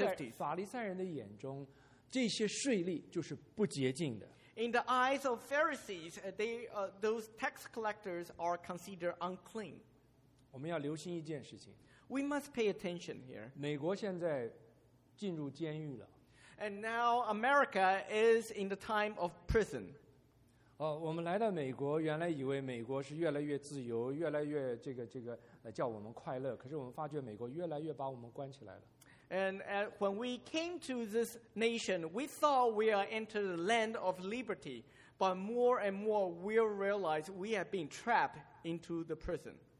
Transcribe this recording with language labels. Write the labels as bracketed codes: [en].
[zh] 在这些法利赛人的眼中, 这些税吏就是不洁净的。 [en] In the eyes of Pharisees, those tax collectors are considered unclean. [zh] 我们要留心一件事情。 [en] We must pay attention here. [zh] 美国现在进入监狱了。 [en] And now America is in the time of prison. [zh] 我们来到美国, 原来以为美国是越来越自由, 越来越这个, 叫我们快乐, 可是我们发觉美国越来越把我们关起来了。 [en] And when we came to this nation, we thought we are entering the land of liberty, but more and more we realize we have been trapped into the prison.